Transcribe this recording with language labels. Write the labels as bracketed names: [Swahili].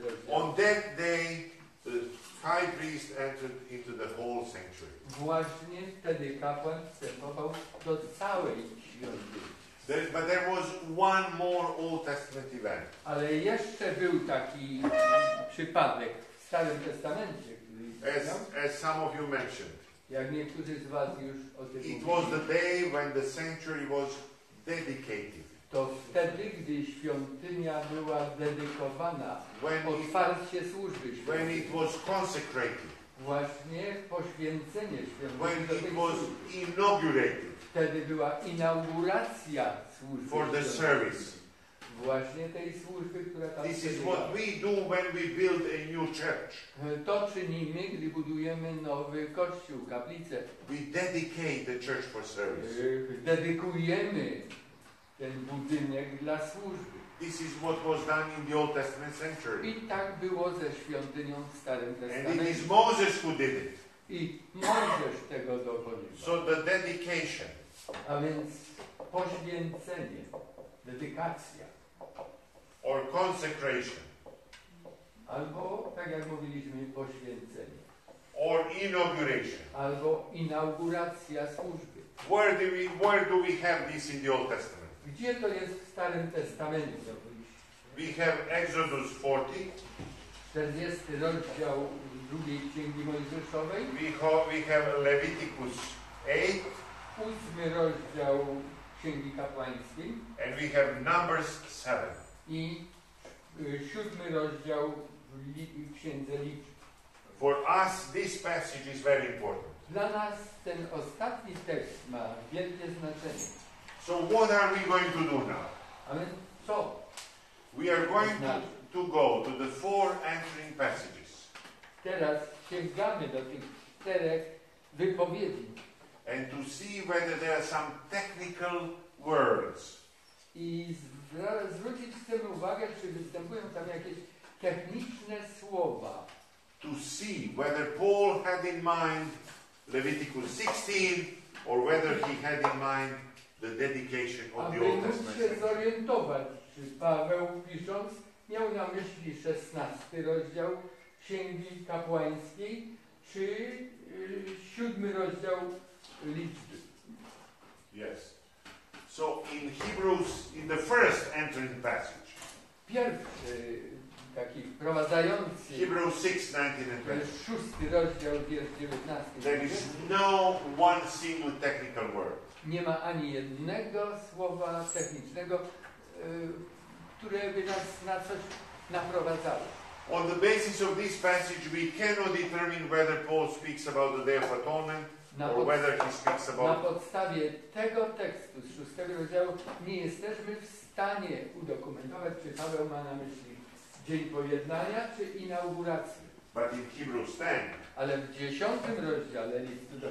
[English] On that day, the high priest entered into the whole sanctuary. [Polish] Właśnie wtedy kapłan wstępował do całej świątyni. [English] But there was one more Old Testament event. [Polish] Ale jeszcze był taki przypadek w Starym Testamencie. [English] As some of you mentioned. [Polish] Jak niektórzy z was już o tym mówili. [English] It was the day when the sanctuary was dedicated. [Polish] To wtedy, gdy świątynia była dedykowana, otwarcie służby świątyni. [English] When it was consecrated. [Polish] Właśnie poświęcenie świątyni. [English] When it was inaugurated. [Polish] Wtedy była inauguracja służby. [English] For the service. [Polish] Właśnie tej służby, która tam. [English] This is what we do when we build a new church. [Polish] To czynimy, gdy budujemy nowy kościół, kaplicę. [English] We dedicate the church for service. [Polish] Dedykujemy ten budynek dla służby. [English] This is what was done in the Old Testament sanctuary. [Polish] I tak było ze świątynią w Starym Testamencie. [English] And it is Moses who did it. [Polish] I Mojżesz tego dokonywał. [English] So the dedication. [Polish] A więc poświęcenie, dedykacja. [English] Or consecration. [Polish] Albo, tak jak mówiliśmy, poświęcenie. [English] Or inauguration. [Polish] Albo inauguracja służby. [English] Where do we have this in the Old Testament? [Polish] Gdzie to jest w Starym Testamencie? [English] We have Exodus 40. [Polish] 40 rozdział drugiej księgi Mojżeszowej. [English] We have Leviticus 8. [Polish] 8 rozdział księgi kapłańskiej. [English] And we have Numbers 7. [Polish] I 7 rozdział księdze liczb. [English] For us this passage is very important. [Polish] Dla nas ten ostatni tekst ma wielkie znaczenie. [English] So what are we going to do now? [Polish] A więc co? [English] We are going to go to the four answering passages. [Polish] Teraz sięgamy do tych czterech wypowiedzi. [English] And to see whether there are some technical words. [Polish] I zwrócić z tym uwagę, czy występują tam jakieś techniczne słowa. [English] To see whether Paul had in mind Leviticus 16, or whether he had in mind the dedication of the Old Testament. [Polish] Aby móc się zorientować, czy Paweł pisząc miał na myśli 16 rozdział Księgi Kapłańskiej, czy 7 rozdział Liczby. [English] Yes. So in Hebrews, in the first entering passage. [Polish] Pierwszy taki wprowadzający. [English] Hebrews 6:19-20. [Polish] Szósty rozdział, wiersz 19. [English] There is no one single technical word. [Polish] Nie ma ani jednego słowa technicznego, które by nas na coś naprowadzało. [English] On the basis of this passage, we cannot determine whether Paul speaks about the Day of Atonement. [Polish] Na podstawie tego tekstu z szóstego rozdziału nie jesteśmy w stanie udokumentować, czy Paweł ma na myśli Dzień Pojednania, czy inaugurację. [English] But in Hebrews 10, [Polish] ale w dziesiątym rozdziale listu do